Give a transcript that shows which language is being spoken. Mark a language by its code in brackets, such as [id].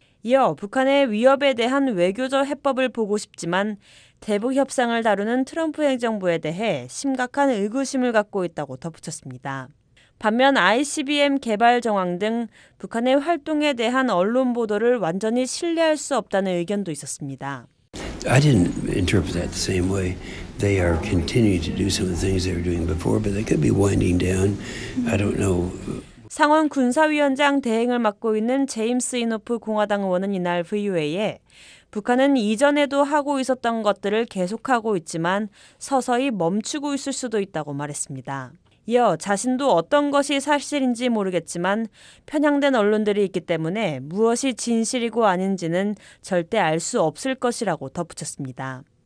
[ko] 이어 북한의 위협에 대한 외교적 해법을 보고 싶지만 대북 협상을 다루는 트럼프 행정부에 대해 심각한 의구심을 갖고 있다고 덧붙였습니다. 반면 ICBM 개발 정황 등 북한의 활동에 대한 언론 보도를 완전히 신뢰할 수 없다는 의견도 있었습니다. [en] I didn't interpret that the same way. They are continuing to do some of the things they were doing before, but they could be winding down. I don't know. [ko] 상원 군사위원장 대행을 맡고 있는 제임스 이노프 공화당 의원은 이날 VOA에 북한은 이전에도 하고 있었던 것들을 계속하고 있지만 서서히 멈추고 있을 수도 있다고 말했습니다. 이어 자신도 어떤 것이 사실인지 모르겠지만 편향된 언론들이 있기 때문에 무엇이 진실이고 아닌지는 절대 알 수 없을 것이라고 덧붙였습니다.